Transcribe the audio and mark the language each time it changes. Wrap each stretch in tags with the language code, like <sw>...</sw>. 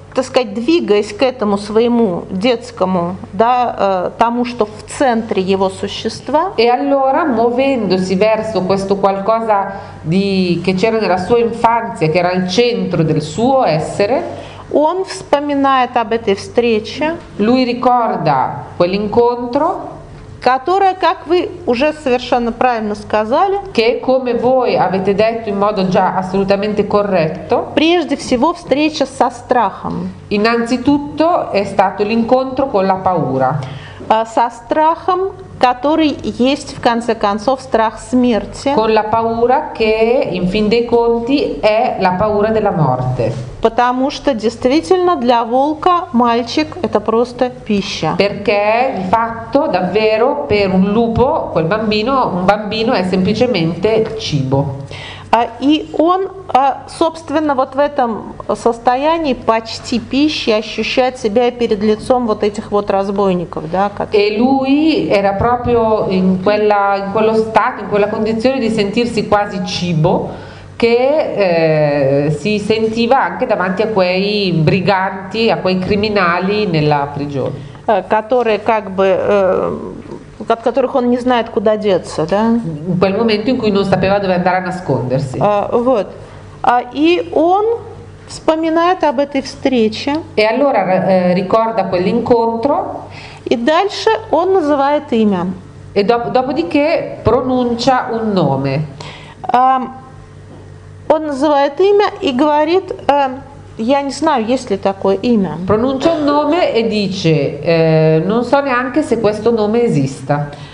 <ru>так сказать, двигаясь к этому своему детскому, да, тому, что в центре его существа.</ru> <it>E allora, muovendosi verso questo qualcosa di che c'era nella sua infanzia, che era il centro del suo essere,</it> <ru>он вспоминает об этой встрече.</ru> <it>Lui ricorda quell'incontro,</it> <ru>которая, как вы уже совершенно правильно сказали,</ru> <it>che come voi avete detto in modo già assolutamente corretto,</it> <ru>прежде всего встреча со страхом.</ru> <it>Innanzitutto è stato l'incontro con la paura.</it> <ru>Со страхом, который есть в конце концов страх смерти.</ru> <it>Con la paura che in fin dei conti è la paura della morte.</it> <ru>Потому что действительно для волка мальчик это просто пища.</ru> <it>Perché di fatto davvero per un lupo quel bambino, un bambino è semplicemente cibo.</it> <ru>И он, собственно, вот в этом состоянии почти пищи ощущает себя перед лицом вот этих вот разбойников, да?</ru> <it>E lui era proprio in quella, in quello stato, in quella condizione di sentirsi quasi cibo, che si sentiva anche davanti a quei briganti, a quei criminali nella prigione.</it> <ru>Которые как бы от которых он не знает, куда деться, да?</ru> <it>In quel momento in cui non sapeva dove andare a nascondersi.</it> <ru>Вот. И он вспоминает об этой встрече.</ru> <it>E allora ricorda quell'incontro.</it> <ru>И дальше он называет имя.</ru> <it>E dopodiché pronuncia un nome.</it> <ru>Он называет имя и говорит, я не знаю, есть ли такое имя.</ru> <it>Pronuncia un nome e dice, non so neanche se questo nome esista.</it>